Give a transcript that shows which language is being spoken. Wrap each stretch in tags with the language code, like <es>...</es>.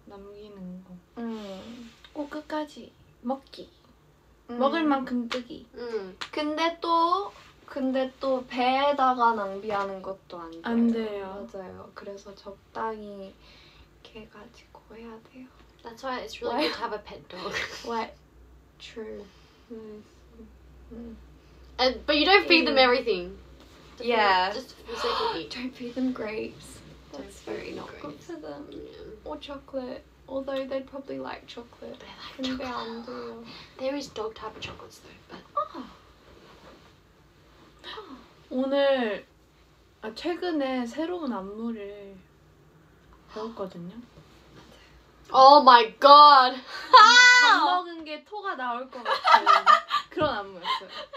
<ko>남기는 거. 꼭 끝까지 먹기. 먹을 만큼 뜨기. 근데 또 배에다가 낭비하는 것도 안 돼요. 안 돼요. 맞아요. 그래서 적당히 이렇게 가지고 해야 돼요.</ko> <en>That's why it's really good to have a pet dog. What? True. But you don't feed them everything. Yeah. Just for the sake of eat. Don't feed them grapes. That's very not good for them. Yeah. Or chocolate. Although they'd probably like chocolate. They like from chocolate. Bound or... There is dog type of chocolates though, but... Oh.</en> <ko>오늘... 아, 최근에 새로운 안무를 배웠거든요.</ko> <en>Oh my god!</en> <ko>밥 먹은 게 토가 나올 것 같은 그런 안무였어요.</ko>